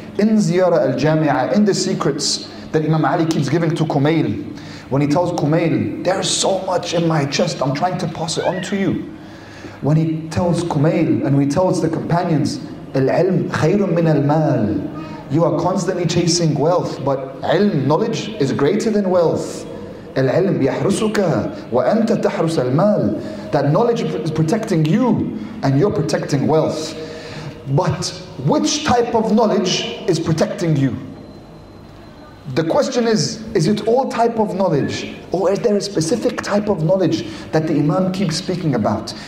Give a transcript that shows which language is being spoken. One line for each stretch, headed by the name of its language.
English: In Ziyarah al-Jami'ah, in the secrets that Imam Ali keeps giving to Kumail, when he tells Kumail, there is so much in my chest, I'm trying to pass it on to you. When he tells Kumail and he tells the companions,
Arabic: العلم خير من المال.
English: You are constantly chasing wealth, but علم, knowledge, is greater than wealth.
Arabic: العلم يحرسك وأنت تحرس المال.
English: That knowledge is protecting you and you're protecting wealth. But which type of knowledge is protecting you? The question is it all type of knowledge? Or is there a specific type of knowledge that the Imam keeps speaking about?